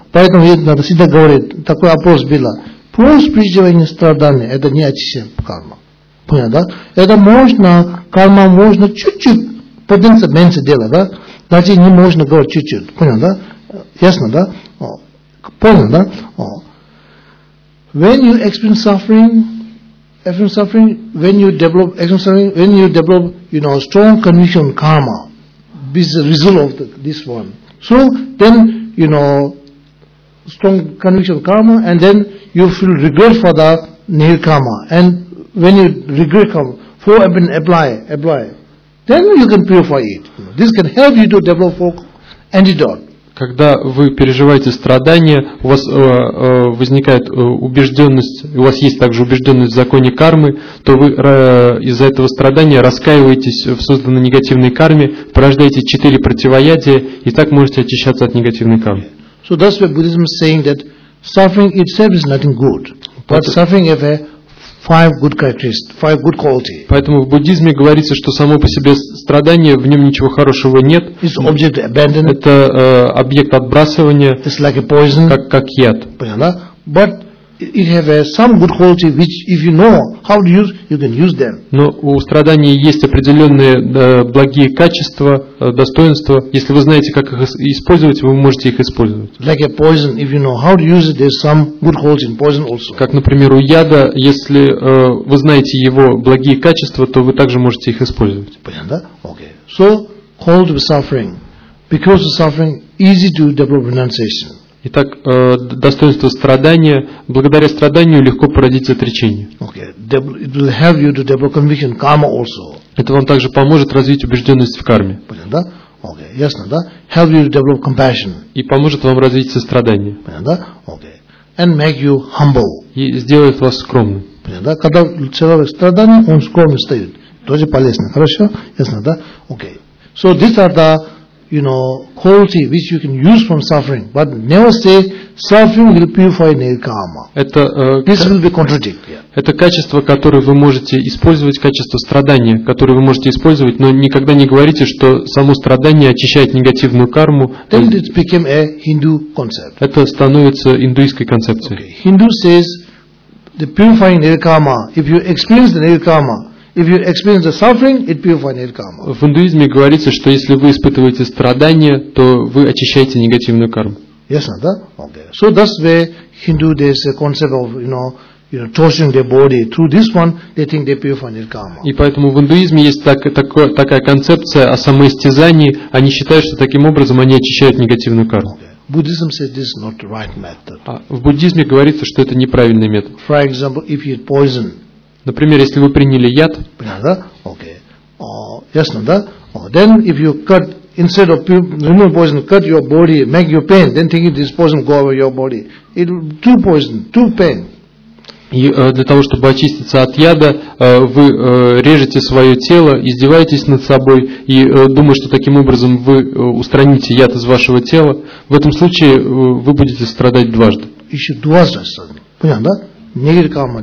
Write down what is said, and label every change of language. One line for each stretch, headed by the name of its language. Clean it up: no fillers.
Russian: Поэтому надо всегда говорить, такой опрос был. Плюс приезжает страдания, это не очищает карма. Понял, да? Это можно, карма можно чуть-чуть, потенция меньше делать, да? Значит, не можно говорить чуть-чуть. Понял, да? Ясно, да? Понял, да?
English: When you experience suffering, action suffering, when you develop action suffering, when you develop, you know, strong conviction karma, this is the result of this one. So then, you know, strong conviction karma, and then you feel regret for the near karma. And when you regret karma, four have been apply, then you can purify it. This can help you to develop four antidote.
Russian: Когда вы переживаете страдания, у вас возникает убежденность, у вас есть также убежденность в законе кармы, то вы из-за этого страдания раскаиваетесь в созданной негативной карме, порождаете четыре противоядия, и так можете очищаться от негативной кармы.
English: So that's why Buddhism is saying that suffering itself is nothing good, but suffering has a five good characteristics, five good qualities.
Russian: Поэтому в буддизме говорится, что само по себе страдание, в нем ничего хорошего нет.
English: It's object abandoned.
Russian: Это объект отбрасывания.
English: It's like a poison.
Russian: Как яд. Понятно?
English: But it have some good quality which if you know how to use you can use them.
Russian: Но у страдания есть определенные благие качества, достоинства. Если вы знаете, как их использовать, вы можете их использовать.
English: Like a poison, if you know how to use it, there's some good quality in poison also.
Russian: Как, например, у яда, если вы знаете его благие качества, то вы также можете их использовать. Понятно?
English: Okay. So called suffering, because of suffering, easy to develop renunciation.
Russian: Итак, достоинство страдания, благодаря страданию легко породить отречение.
English: Okay. It will help you to develop conviction, karma also.
Russian: Это вам также поможет развить убежденность в карме. Понятно, да?
English: Okay.
Russian: Ясно, да?
English: Help you to develop compassion.
Russian: И поможет вам развить сострадание. Понятно, да?
English: Okay. And make you humble.
Russian: И сделает вас скромным. Понятно, да? Когда человек страдает, он скромный стоит. Тоже полезно. Хорошо? Ясно, да?
English: Okay. So these are the you know, quality which you can use from suffering, but never say suffering will purify nirvana karma.
Russian: Это,
English: this will be contradict.
Russian: Это качество, которое вы можете использовать, качество страдания, которое вы можете использовать, но никогда не говорите, что само страдание очищает негативную карму.
English: Then it became a Hindu concept.
Russian: Это становится индуистской концепцией.
English: Okay. Hindu says the purifying nirvana karma. If you experience the nirvana karma. If you experience the suffering, it purifies your karma.
Russian: В индуизме говорится, что если вы испытываете страдания, то вы очищаете негативную карму. Ясно, да?
English: Okay. So that's where Hindu there's a concept of you know torturing their body through this one, they think they purify their karma.
Russian: И поэтому в индуизме есть такая концепция о самоистязании. Они считают, что таким образом они очищают негативную карму.
English: Okay. Buddhism says this is not the right method.
Russian: В буддизме говорится, что это неправильный метод.
English: For example, if you eat poison.
Russian: Например, если вы приняли яд, да?
English: Okay.
Russian: Ясно, да?
English: Then if you cut instead of removing poison, cut your body, make you pain, then thinking this poison go over your body, it too poison, too pain.
Russian: И для того, чтобы очиститься от яда, вы режете свое тело, издеваетесь над собой и думаете, что таким образом вы устраните яд из вашего тела. В этом случае вы будете страдать дважды. Еще дважды страдать. Понятно, да?
English: Negative karma.